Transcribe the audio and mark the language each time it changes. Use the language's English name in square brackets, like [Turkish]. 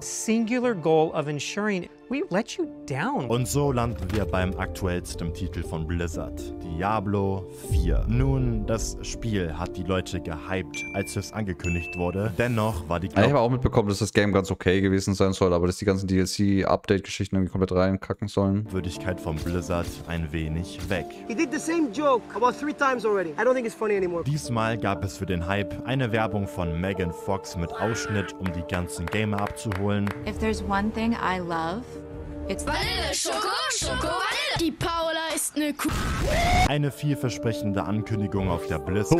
[English] Singular goal of ensuring we let you down. [German] Und so landen wir beim aktuellsten Titel von Blizzard, Diablo 4. Nun, das Spiel hat die Leute gehypt, als es angekündigt wurde. Dennoch war die... Ich habe auch mitbekommen, dass das Game ganz okay gewesen sein soll, aber dass die ganzen DLC-Update-Geschichten irgendwie komplett reinkacken sollen. Würdigkeit von Blizzard ein wenig weg. [English] He did the same joke about 3 times already. I don't think it's funny anymore. [German] Diesmal gab es für den Hype eine Werbung von Megan Fox mit Ausschnitt, um die ganzen Gamer abzuholen. [English] If there's one thing I love, [German] die Paula ist eine Kuh. Eine vielversprechende Ankündigung auf der BlizzCon.